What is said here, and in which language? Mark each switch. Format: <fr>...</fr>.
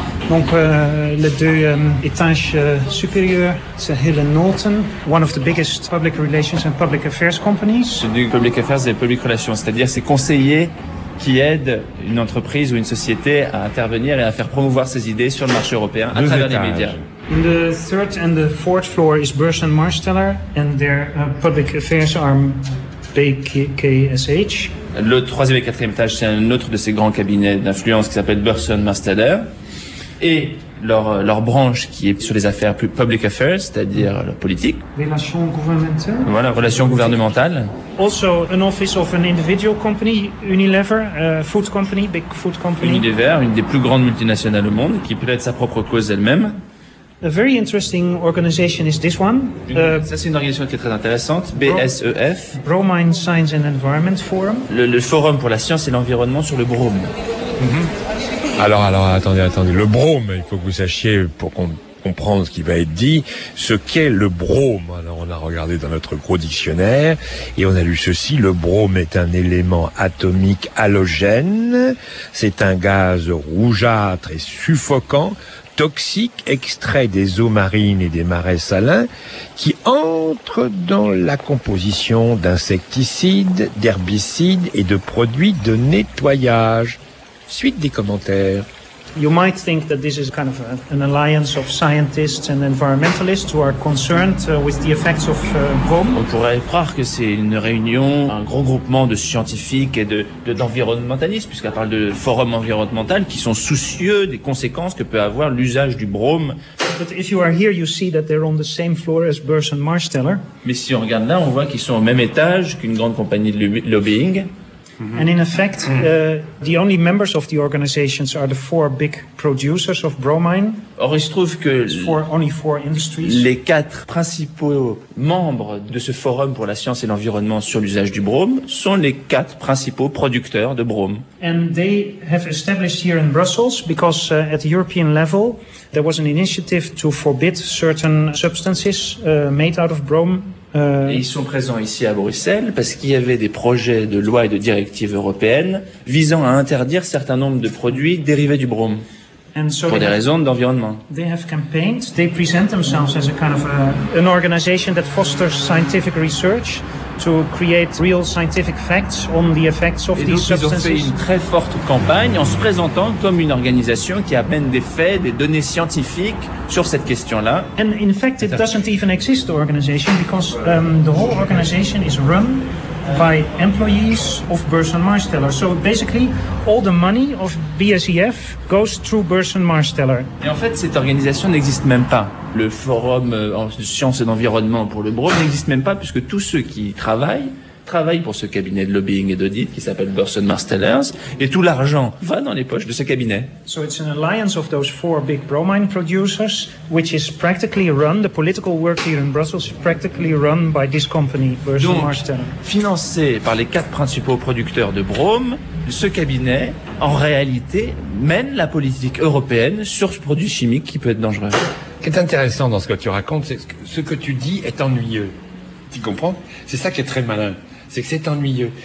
<fr>Donc, les deux étages supérieurs, c'est</fr> <en>Hill & Norton, one of the biggest public relations and public affairs companies.</en> <fr>C'est du public affairs et public relations, c'est-à-dire ces conseillers qui aide une entreprise ou une société à intervenir et à faire promouvoir ses idées sur le marché européen à travers les médias.</fr> <en>In the third and the fourth floor is Burch & Marsteller and their public affairs arm BKSH.</en> <fr>Le troisième et quatrième étage, c'est un autre de ces grands cabinets d'influence qui s'appelle Burch & Marsteller et leur branche qui est sur les affaires plus public affairs, c'est-à-dire la politique. Relations gouvernementales. Voilà, relations gouvernementales.</fr> <en>Also, an office of an individual company, Unilever, a food company, big food company.</en> <fr>Unilever, une des plus grandes multinationales au monde, qui plaide sa propre cause elle-même.</fr> <en>A very interesting organization is this one.</en> <fr>Ça, c'est une organisation qui est très intéressante, BSEF.</fr> <en>Bromine Science and Environment Forum.</en> <fr>Le forum pour la science et l'environnement sur le brome. Mm-hmm. Alors, attendez, le brome, il faut que vous sachiez, pour qu'on comprendre ce qui va être dit, ce qu'est le brome. Alors, on a regardé dans notre gros dictionnaire et on a lu ceci. Le brome est un élément atomique halogène. C'est un gaz rougeâtre et suffocant, toxique, extrait des eaux marines et des marais salins, qui entre dans la composition d'insecticides, d'herbicides et de produits de nettoyage. Suite des commentaires.</fr> <en>You might think that this is kind of an alliance of scientists and environmentalists who are concerned with the effects of brome.</en> <fr>On pourrait croire que c'est une réunion, un gros groupement de scientifiques et de d'environnementalistes, puisqu'elle parle de forum environnemental, qui sont soucieux des conséquences que peut avoir l'usage du brome.</fr> <en>But if you are here, you see that they're on the same floor as Burse and Marsteller.</en> <fr>Mais si on regarde là, on voit qu'ils sont au même étage qu'une grande compagnie de lobbying.</fr> <en>And in effect, the only members of the organizations are the four big producers of bromine.</en> <fr>Or, il se trouve que</fr> <en>four industries.</en> <fr>Les quatre principaux membres de ce forum pour la science et l'environnement sur l'usage du brome sont les quatre principaux producteurs de brome.</fr> <en>And they have established here in Brussels because at the European level there was an initiative to forbid certain substances made out of brome.</en> <fr>Et ils sont présents ici à Bruxelles parce qu'il y avait des projets de loi et de directives européennes visant à interdire certain nombre de produits dérivés du brome pour des raisons d'environnement.</fr> <en>They have campaigned, they present themselves as a kind of an organization that fosters scientific research to create real scientific facts on the effects of these substances.</en> <fr>Et donc ils ont fait une très forte campagne en se présentant comme une organisation qui amène des faits, des données scientifiques sur cette question-là.</fr> <en>And in fact, it doesn't even exist, the organization, because the whole organization is run by employees of Burse and Marsteller. So basically, all the money of BSEF goes through Burse and Marsteller.</en> <fr>Et en fait, cette organisation n'existe même pas. Le forum en sciences et d'environnement pour le brome n'existe même pas, puisque tous ceux qui travaillent pour ce cabinet de lobbying et d'audit qui s'appelle Burse and Marsteller, et tout l'argent va dans les poches de ce cabinet.</fr> <en>So it's an alliance of those four big bromine producers, which is practically run, the political work here in Brussels is practically run by this company, Burse and Marsteller.</en> <fr>Donc, financé par les quatre principaux producteurs de brome, ce cabinet, en réalité, mène la politique européenne sur ce produit chimique qui peut être dangereux. Ce qui est intéressant dans ce que tu racontes, c'est que ce que tu dis est ennuyeux. Tu comprends? C'est ça qui est très malin. C'est que c'est ennuyeux.</fr>